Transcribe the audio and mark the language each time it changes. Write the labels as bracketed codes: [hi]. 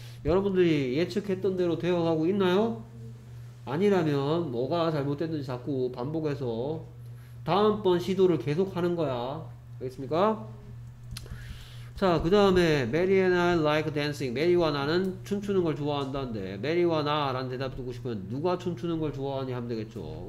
[ko] 여러분들이 예측했던 대로 되어가고 있나요? 아니라면 뭐가 잘못됐는지 자꾸 반복해서 다음번 시도를 계속 하는 거야. 알겠습니까? 자, 그 다음에 [en] Mary and I like dancing. [ko] Mary와 나는 춤추는 걸 좋아한다는데 Mary와 나 라는 대답 듣고 싶으면 누가 춤추는 걸 좋아하니 하면 되겠죠.